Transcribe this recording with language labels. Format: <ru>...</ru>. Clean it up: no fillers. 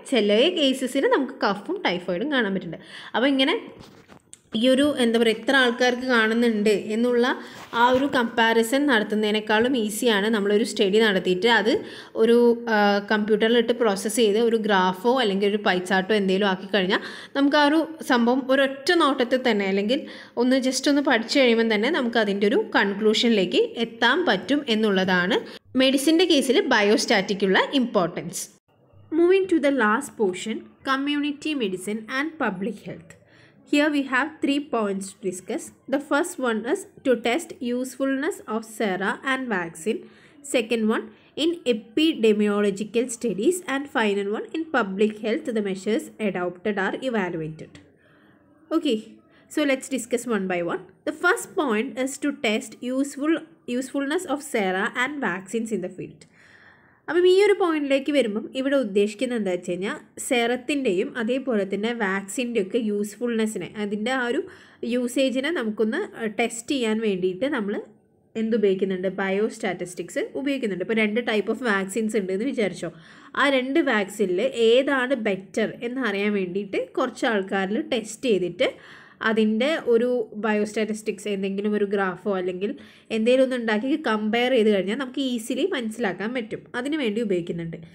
<ml>ചില കേസസിൽ നമുക്ക് കഫും ടൈഫോയിഡും കാണാൻ പറ്റുന്നുണ്ട്. അപ്പോൾ ഇങ്ങനെ ഈ ഒരു എന്താ പറയുക, എത്ര ആൾക്കാർക്ക് കാണുന്നുണ്ട് എന്നുള്ള ആ ഒരു കമ്പാരിസൺ നടത്തുന്നതിനേക്കാളും ഈസിയാണ് നമ്മളൊരു സ്റ്റഡി നടത്തിയിട്ട് അത് ഒരു കമ്പ്യൂട്ടറിലിട്ട് പ്രോസസ്സ് ചെയ്ത് ഒരു ഗ്രാഫോ അല്ലെങ്കിൽ ഒരു പൈചാർട്ടോ എന്തെങ്കിലും ആക്കിക്കഴിഞ്ഞാൽ നമുക്ക് ആ ഒരു സംഭവം ഒരൊറ്റ നോട്ടത്തിൽ തന്നെ അല്ലെങ്കിൽ ഒന്ന് ജസ്റ്റ് ഒന്ന് പഠിച്ചു കഴിയുമ്പോൾ തന്നെ നമുക്ക് അതിൻ്റെ ഒരു കൺക്ലൂഷനിലേക്ക് എത്താൻ പറ്റും എന്നുള്ളതാണ് മെഡിസിൻ്റെ കേസിൽ ബയോസ്റ്റാറ്റിക്കുള്ള importance.</ml> <en>Moving to the last portion, community medicine and public health. Here we have 3 points to discuss. The first one is to test usefulness of sera and vaccine. Second one, in epidemiological studies. And final one, in public health, the measures adopted are evaluated. Okay, so let's discuss one by one. The first point is to test usefulness of sera and vaccines in the field.</en> <ml>അപ്പം ഈ ഒരു പോയിന്റിലേക്ക് വരുമ്പം ഇവിടെ ഉദ്ദേശിക്കുന്നത് എന്താ വെച്ച് കഴിഞ്ഞാൽ സെറത്തിൻ്റെയും അതേപോലെ തന്നെ വാക്സിൻ്റെയൊക്കെ യൂസ്ഫുൾനെസ്സിനെ, അതിൻ്റെ ആ ഒരു യൂസേജിനെ നമുക്കൊന്ന് ടെസ്റ്റ് ചെയ്യാൻ വേണ്ടിയിട്ട് നമ്മൾ എന്തുപയോഗിക്കുന്നുണ്ട്, ബയോസ്റ്റാറ്റിസ്റ്റിക്സ് ഉപയോഗിക്കുന്നുണ്ട്. ഇപ്പോൾ രണ്ട് ടൈപ്പ് ഓഫ് വാക്സിൻസ് ഉണ്ടെന്ന് വിചാരിച്ചോ, ആ രണ്ട് വാക്സിനിൽ ഏതാണ് ബെറ്റർ എന്നറിയാൻ വേണ്ടിയിട്ട് കുറച്ച് ആൾക്കാരിൽ ടെസ്റ്റ് ചെയ്തിട്ട് അതിൻ്റെ ഒരു ബയോസ്റ്റാറ്റിസ്റ്റിക്സ് എന്തെങ്കിലും ഒരു ഗ്രാഫോ അല്ലെങ്കിൽ എന്തെങ്കിലും ഒന്ന് ഉണ്ടാക്കി കമ്പയർ ചെയ്ത് കഴിഞ്ഞാൽ നമുക്ക് ഈസിലി മനസ്സിലാക്കാൻ പറ്റും. അതിനു വേണ്ടി ഉപയോഗിക്കുന്നുണ്ട്.</ml>